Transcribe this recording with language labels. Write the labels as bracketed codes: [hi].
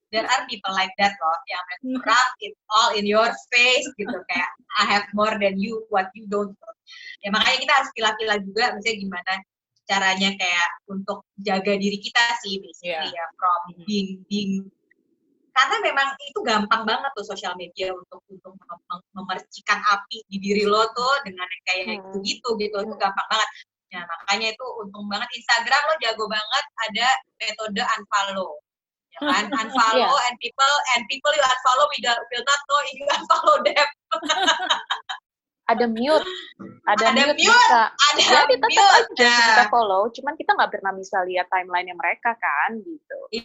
[en] there are people like that [id] loh, yang berat, [en] it's all in your face [id] gitu, kayak [en] I have more than you, what you don't. [id] Ya makanya kita harus pilih-pilih juga, misalnya gimana caranya kayak untuk jaga diri kita sih, basically ya, [en] from being. [id] Karena memang itu gampang banget tuh sosial media untuk memercikan api di diri lo tuh dengan kayak gitu-gitu, itu gampang banget. Nah makanya itu untung banget, Instagram lo jago banget ada metode unfollow. [en] Unfollow and people you unfollow will not know if you unfollow them. [id] ada mute, aja kita follow, cuman kita nggak pernah bisa lihat timeline yang mereka kan gitu.